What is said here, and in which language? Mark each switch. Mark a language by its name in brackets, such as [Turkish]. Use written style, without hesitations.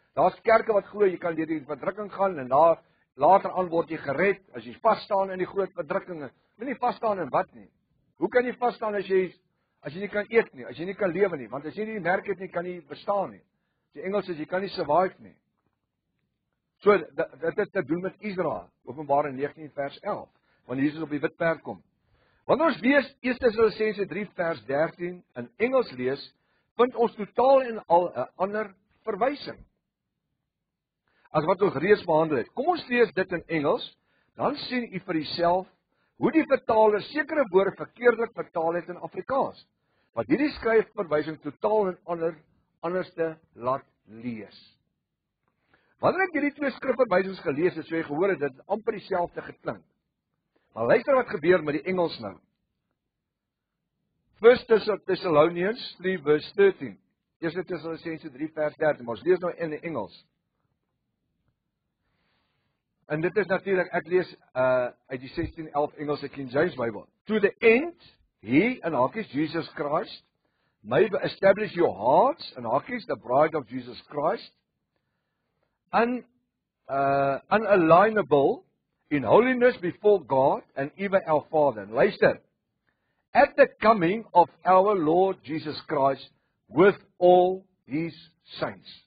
[Afrikaans] Daar's kerke wat glo jy kan deur die verdrukking gaan en daar later aan word jy gered as jy vas staan in die groot verdrukking. Moet nie vas staan in wat nie. Hoe kan jy vas staan as jy nie kan eet nie, as jy nie kan lewe nie, want as jy nie die merk het nie, kan jy bestaan nie. Die Engels sê jy kan nie survive nie. So dit het te doen met Israel, Openbaring 19 vers 11, wanneer Jesus op die wit perd kom. Wanneer ons lees, 1 Tessalonisense 3 vers 13 in Engels lees, vind ons totaal en al 'n ander verwysing as wat ons reeds behandel het. Kom ons lees dit in Engels, dan sien u vir jouself hoe die vertaler sekere woorde verkeerdelik vertaal het in Afrikaans, wat hierdie skryfverwysing totaal en anderste laat lees. Wanneer ek hierdie twee skrifverwysings gelees het, so jy gehoor het, dit amper dieselfde geklink. Maar luister wat gebeur met die Engels nou. 1 Thessalonians 3 vers 13. 1 Thessalonians 3 vers 13. Maar ons lees nou in die Engels. En dit is natuurlik, ek lees uit die 1611 Engelse King James Bible. [English] To the end, he, [Afrikaans] in hakies, [English] Jesus Christ, may establish your hearts, in hakies, the bride of Jesus Christ, unalienable, in holiness before God and even our Father. And [Afrikaans] luister, [English] at the coming of our Lord Jesus Christ with all his saints.